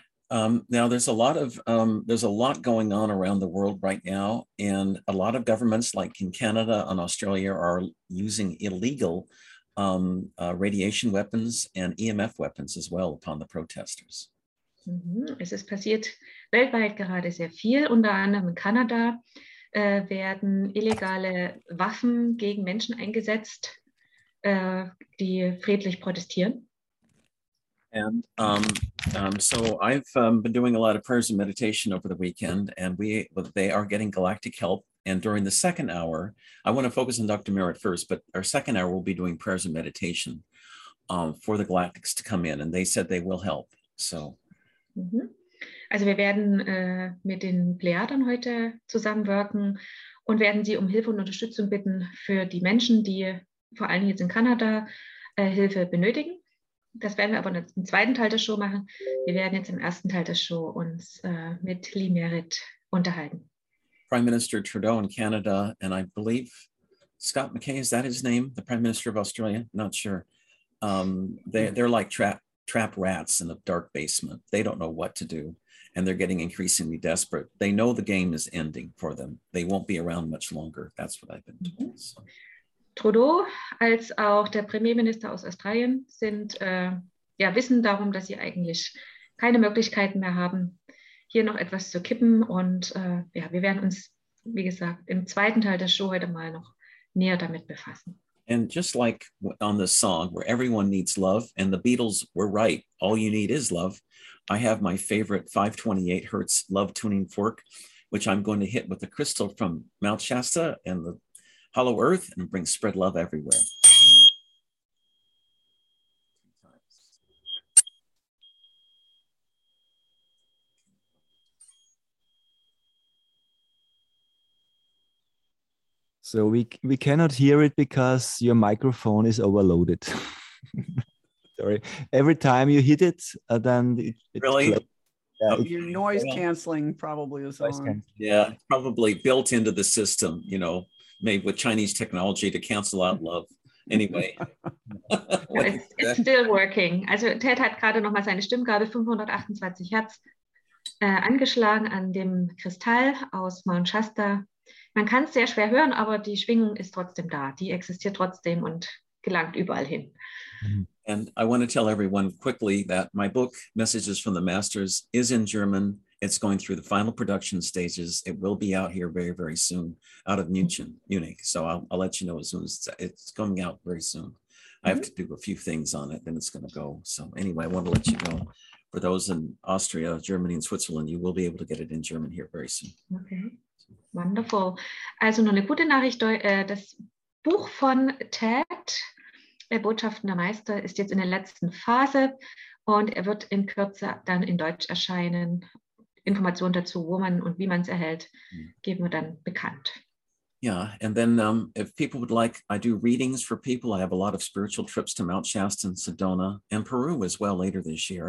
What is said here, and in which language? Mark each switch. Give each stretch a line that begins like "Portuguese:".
English: Now there's a lot of going on around the world right now, and a lot of governments, like in Canada and Australia, are using illegal radiation weapons and EMF weapons as well upon the protesters.
German: Es ist passiert weltweit gerade sehr viel. Unter anderem in Kanada werden illegale Waffen gegen Menschen eingesetzt, die friedlich protestieren.
English: And so I've been doing a lot of prayers and meditation over the weekend, and they are getting galactic help. And during the second hour, I want to focus on Dr. Merritt first, but our second hour, we'll be doing prayers and meditation for the Galactics to come in. And they said they will help. So.
German: Also wir werden mit den Plejaden heute zusammenwirken und werden sie um Hilfe und Unterstützung bitten für die Menschen, die vor allem jetzt in Kanada Hilfe benötigen. Das werden wir aber im zweiten Teil der Show machen. Wir werden jetzt im ersten Teil der Show uns mit Lee Merritt unterhalten.
English: Prime Minister Trudeau in Canada, and I believe Scott McKay, is that his name? The Prime Minister of Australia? Not sure. They're like trap rats in a dark basement. They don't know what to do, and they're getting increasingly desperate. They know the game is ending for them. They won't be around much longer. That's what I've been told. Mm-hmm. So.
German: Trudeau als auch der Premierminister aus Australien sind wissen darum, dass sie eigentlich keine Möglichkeiten mehr haben, hier noch etwas zu kippen, und wir werden uns, wie gesagt, im zweiten Teil der Show heute mal noch näher damit befassen.
English: And just like on the song where everyone needs love, and the Beatles were right, all you need is love, I have my favorite 528 Hertz love tuning fork, which I'm going to hit with the crystal from Mount Shasta and the Hollow Earth and bring spread love everywhere. So we cannot hear it because your microphone is overloaded. Sorry. Every time you hit it, then it's really closed. Your noise canceling probably is on. Yeah, probably built into the system, you know, made with Chinese technology to cancel out love. Anyway. it's still working.
German: Also Ted hat gerade noch mal seine Stimmgabel 528 Hertz angeschlagen an dem Kristall aus Mount Shasta. Man kann es sehr schwer hören, aber die Schwingung ist trotzdem da. Die existiert trotzdem und gelangt überall hin.
English: And I want to tell everyone quickly that my book, Messages from the Masters, is in German. It's going through the final production stages. It will be out here very, very soon, out of Munich. So I'll let you know as soon as it's coming out very soon. Mm-hmm. I have to do a few things on it, then it's going to go. So anyway, I want to let you know, for those in Austria, Germany, and Switzerland, you will be able to get it in German here very soon. Okay, wonderful.
German: Also noch eine gute Nachricht, das Buch von Ted, Botschaften der Meister, ist jetzt in der letzten Phase, und er wird in Kürze dann in Deutsch erscheinen. Informationen dazu, wo man und wie man es erhält, geben wir dann bekannt.
English: Yeah, and then if people would like, I do readings for people. I have a lot of spiritual trips to Mount Shasta and Sedona and Peru as well later this year.